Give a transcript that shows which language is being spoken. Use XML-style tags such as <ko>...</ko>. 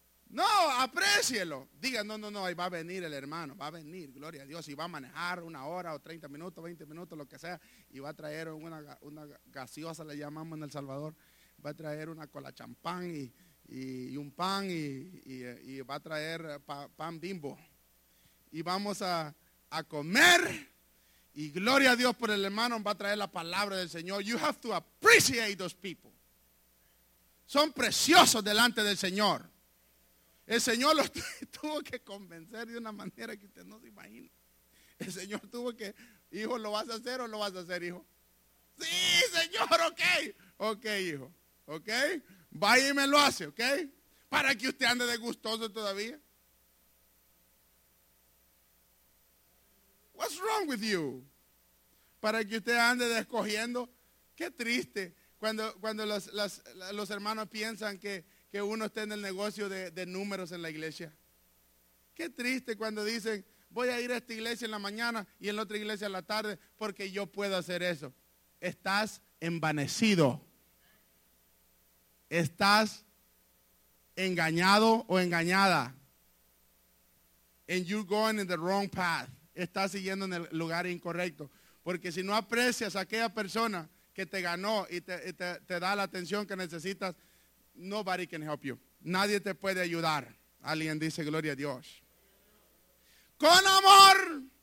<es>No, aprécielo. Diga, no, ahí va a venir el hermano, va a venir, gloria a Dios, y va a manejar una hora o 30 minutos, 20 minutos, lo que sea, y va a traer una gaseosa, le llamamos en El Salvador, va a traer una cola champán y un pan y va a traer pan Bimbo. Y vamos a comer. Y gloria a Dios por el hermano, va a traer la palabra del Señor.</es> <en>You have to appreciate those people.</en> <es>Son preciosos delante del Señor. El Señor los tuvo que convencer de una manera que usted no se imagina. El Señor tuvo que, hijo, ¿lo vas a hacer o lo vas a hacer, hijo? Sí, Señor, ok. Ok, hijo, ok. Vaya y me lo hace, ok. Para que usted ande de gustoso todavía.</es> <en>What's wrong with you?</en> <es>Para que usted ande escogiendo. Qué triste cuando los hermanos piensan que uno está en el negocio de números en la iglesia. Qué triste cuando dicen, voy a ir a esta iglesia en la mañana y en la otra iglesia en la tarde porque yo puedo hacer eso. Estás envanecido. Estás engañado o engañada.</es> <en>And you're going in the wrong path.</en> <es>Está siguiendo en el lugar incorrecto. Porque si no aprecias a aquella persona que te ganó y te da la atención que necesitas,</es> <en>nobody can help you.</en> <es>Nadie te puede ayudar. Alguien dice gloria a Dios. Con amor.</es>